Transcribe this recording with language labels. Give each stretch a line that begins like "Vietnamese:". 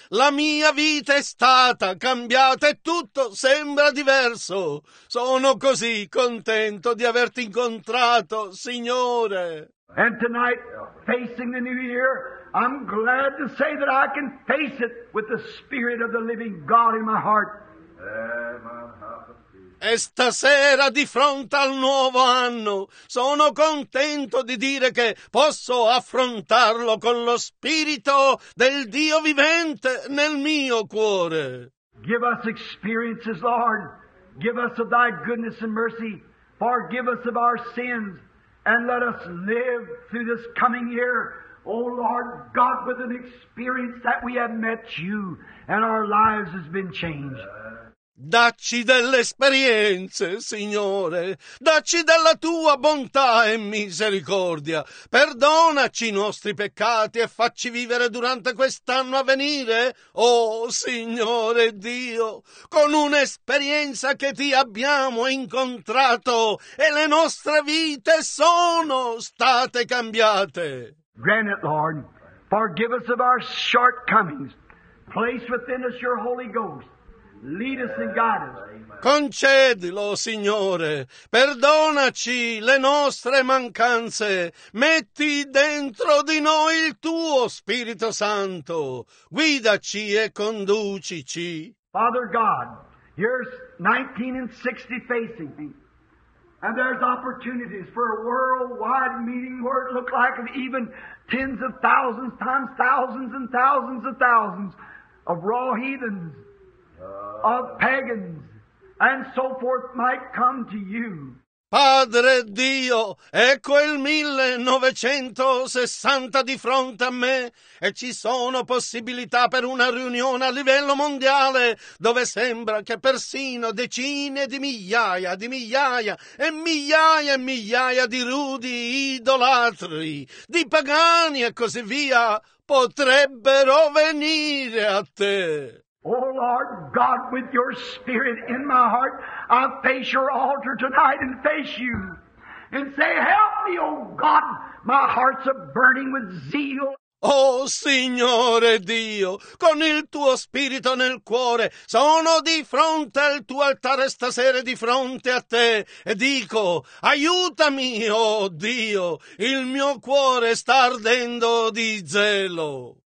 Italian: La mia vita è stata cambiata e tutto sembra diverso. Sono così contento di averti incontrato, Signore.
English: And tonight, facing the new year, I'm glad to say that I can face it with the Spirit of the living God in my heart.
Italian: E stasera, di fronte al nuovo anno, sono contento di dire che posso affrontarlo con lo Spirito del Dio vivente nel mio cuore.
English: Give us experiences, Lord. Give us of thy goodness and mercy. Forgive us of our sins. And let us live through this coming year, oh Lord God, with an experience that we have met you and our lives has been changed.
Italian: Dacci delle esperienze, Signore, dacci della tua bontà e misericordia. Perdonaci i nostri peccati e facci vivere durante quest'anno a venire, oh Signore Dio, con un'esperienza che ti abbiamo incontrato e le nostre vite sono state cambiate.
English: Grant it, Lord. Forgive us of our shortcomings. Place within us your Holy Ghost. Lead us and guide us.
Italian: Concedilo, Signore. Perdonaci le nostre mancanze. Metti dentro di noi il tuo Spirito Santo. Guidaci e conducici.
English: Father God, here's 1960 facing me. And there's opportunities for a worldwide meeting where it looked like even tens of thousands times thousands and thousands of thousands of raw heathens, of pagans, and so forth might come to you.
Italian: Padre Dio, ecco il 1960 di fronte a me e ci sono possibilità per una riunione a livello mondiale dove sembra che persino decine di migliaia e migliaia di rudi idolatri, di pagani e così via, potrebbero venire a te.
English: Oh Lord God, with your spirit in my heart, I'll face your altar tonight and face you and say, help me, oh God, my heart's a burning with zeal.
Italian: Oh Signore Dio, con il tuo spirito nel cuore, sono di fronte al tuo altare stasera di fronte a te e dico, aiutami, oh Dio, il mio cuore sta ardendo di zelo.